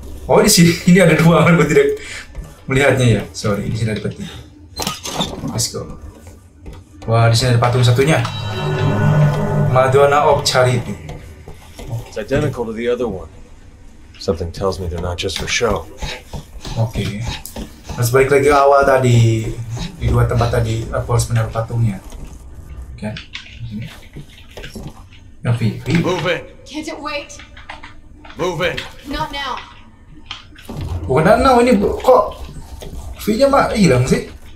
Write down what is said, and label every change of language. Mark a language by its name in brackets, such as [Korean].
[Indonesian] Oh, di sini ini ada dua, aku tidak melihatnya ya. Sorry, di sini ada peti. [English] Let's go. [Indonesian] Wah, di sini ada patung satunya. [English] Madonna of Charity. It's identical to the other one. Something tells me they're not just for show. [Indonesian] Oke. Okay. Harus balik lagi ke awal tadi. Di dua tempat tadi, aku harus menaruh patungnya. Oke. Okay. Nah, V. [English] Move it! Can't it wait? Move it! Not now! [Indonesian] Bukan now, ini kok V-nya mah hilang sih?